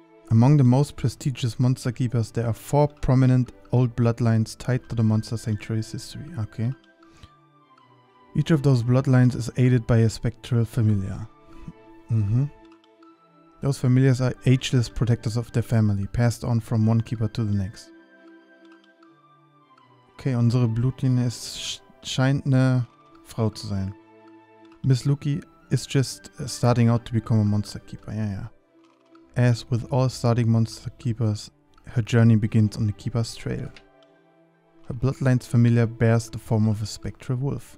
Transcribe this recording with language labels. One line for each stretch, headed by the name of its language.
English: Among the most prestigious Monster Keepers, there are 4 prominent old bloodlines tied to the Monster Sanctuary's history. Okay. Each of those bloodlines is aided by a spectral familiar. Mhm. Those familiars are ageless protectors of their family, passed on from one keeper to the next.
German: Okay, unsere Blutlinie ist scheint eine Frau zu sein.
English: Miss Luki is just starting out to become a monster keeper. Ja, ja. As with all starting monster keepers, her journey begins on the keeper's trail. Her bloodline's familiar bears the form of a spectral wolf.